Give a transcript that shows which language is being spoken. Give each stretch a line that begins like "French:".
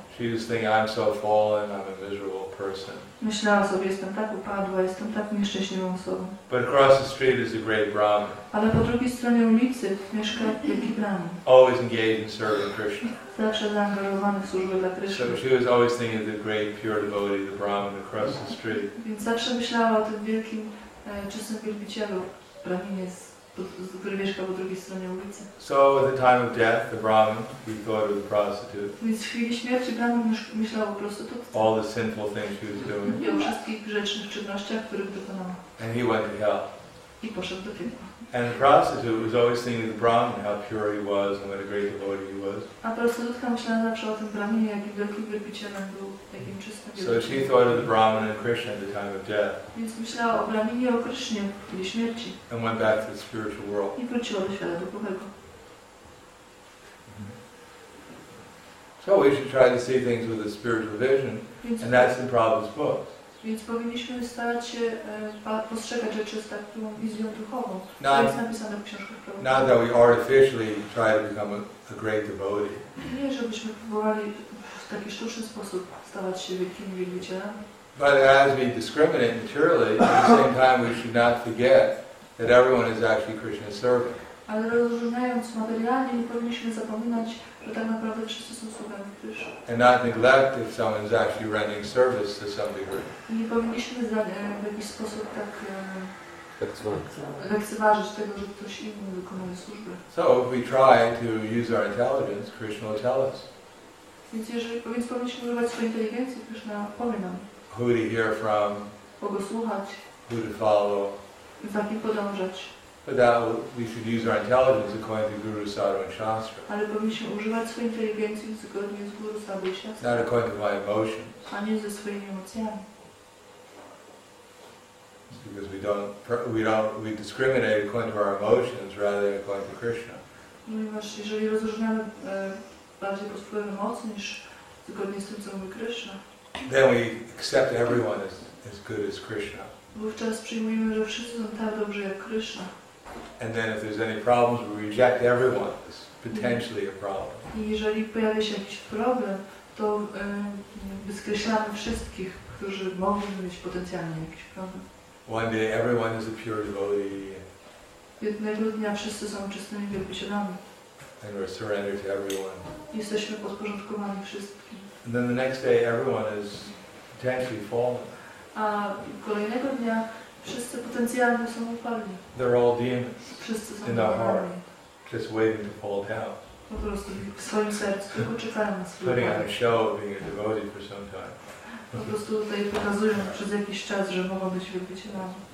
English: She was thinking, I'm so fallen, I'm a miserable person.
Polish: Myślała sobie, jestem tak upadła, jestem tak nieszczęśliwą osobą.
English: But across the street is a great Brahmin.
Polish: Ale po drugiej stronie ulicy mieszka wielki Brahmin.
English: Always engaged in serving Krishna.
Polish: Zawsze zaangażowany w służbę dla Krishna.
English: So she was always thinking of the great pure devotee, the Brahmin across the street.
Polish: Więc zawsze myślała o tym wielkim, czystym wielbicielu, Brahminie, który mieszka po drugiej stronie ulicy.
English: So at the time of death, the Brahmin, he thought of the prostitute.
Polish: Więc w chwili śmierci Brahmin myślał o prostytutce.
English: All the sinful things she was doing.
Polish: I o wszystkich grzecznych czynnościach, których dokonała.
English: And he went to hell.
Polish: I poszedł do piekła.
English: And the prostitute was always thinking of the Brahmin, how pure he was and what a great devotee he was.
Polish: A prostytutka myślała zawsze o tym Brahminie, jaki wielki wielbicielem był, jakim czystym wielbicielem.
English: So she thought of the Brahmin and Krishna at the time of death.
Polish: Więc myślała o Brahminie, o Krishnie w chwili śmierci.
English: And went back to the spiritual world.
Polish: I wróciła do świata duchowego.
English: So we should try to see things with a spiritual vision, and that's in Prabhupada's book.
Polish: Więc powinniśmy starać się postrzegać rzeczy z taką wizją duchową, która jest napisana w książkach.
English: Not that we artificially try to become a great devotee.
Polish: Nie, żebyśmy próbowali w taki sztuczny sposób stawać się wielkimi wielbicielami.
English: But as we discriminate materially, at the same time we should not forget that everyone is actually Krishna's servant.
Polish: Ale rozróżniając materialnie, nie powinniśmy zapominać, że tak naprawdę wszyscy są sługami Krishna.
English: And not neglect if someone's actually rendering service to some degree.
Polish: I nie powinniśmy w jakiś sposób tak lekceważyć tego, że ktoś inny wykonuje służbę.
English: So if we try to use our intelligence, Krishna will tell us.
Polish: Więc powinniśmy używać swojej inteligencji, Krishna powie nam.
English: Who to hear from.
Polish: Kogo słuchać.
English: Who to follow.
Polish: Za kim podążać.
English: But that we should use our intelligence according to Guru, Sadhu, and Shastra.
Polish: Ale powinniśmy używać swojej inteligencji zgodnie z Guru, Sadhu, i Shastra.
English: Not according to my emotions.
Polish: A nie ze swoimi emocjami.
English: It's because we discriminate according to our emotions rather than according to Krishna.
Polish: Ponieważ jeżeli rozróżniamy bardziej pod wpływem emocji niż zgodnie z tym, co mówi Krishna.
English: Then we accept everyone as good as Krishna.
Polish: Wówczas przyjmujemy, że wszyscy są tak dobrze jak Krishna.
English: And then if there's any problems, we reject everyone as potentially a problem.
Polish: I jeżeli pojawia się jakiś problem, to skreślamy wszystkich, którzy mogą mieć potencjalnie jakiś problem.
English: One day everyone is a pure devotee.
Polish: Jednego dnia wszyscy są czystymi wielbicielami.
English: And we're surrendered to everyone.
Polish: Jesteśmy podporządkowani wszystkim.
English: And then the next day everyone is potentially fallen.
Polish: A kolejnego dnia wszyscy potencjalnie są upalni.
English: They're all demons.
Polish: Wszyscy są
English: in their heart, just waiting to fall down.
Polish: Po prostu w swoim sercu tylko czekają na swój
English: putting on a show of being a devotee for some time.
Polish: Po prostu tutaj pokazują przez jakiś czas, że mogą być wielbicielami.